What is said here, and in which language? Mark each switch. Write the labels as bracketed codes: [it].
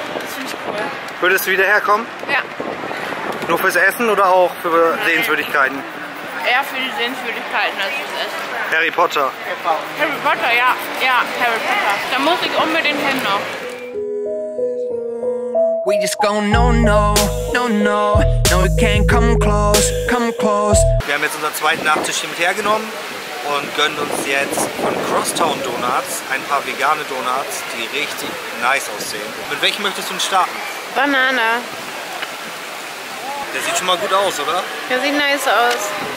[de] Das finde ich cool. Würdest du wieder herkommen? Ja. Nur fürs Essen oder auch für Sehenswürdigkeiten? Eher für die Sehenswürdigkeiten als fürs Essen. Harry Potter. Harry Potter, ja. Ja, Harry Potter. Da muss ich unbedingt hin noch. [en] We just go no, no, no, no. No, we can't come close, come close. [de] Wir haben jetzt unseren zweiten Nachtisch hier mit hergenommen und gönnen uns jetzt von Crosstown Donuts ein paar vegane Donuts, die richtig nice aussehen. Mit welchem möchtest du denn starten? Banane. Der sieht schon mal gut aus, oder? Der sieht nice aus.